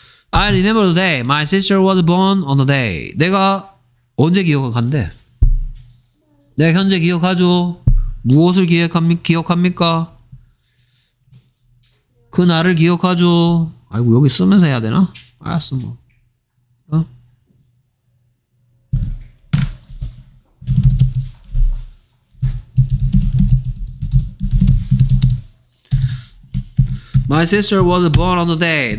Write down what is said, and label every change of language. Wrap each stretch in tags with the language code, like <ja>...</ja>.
<en>I remember the day my sister was born on the day</en> <ko>내가 언제 기억한대? 내가 현재 기억하죠 무엇을 기억합니까? 그 날을 기억하죠 아이고 여기 쓰면서 해야 되나? 알았어 뭐</ko> <en>My sister was born on the day.</en>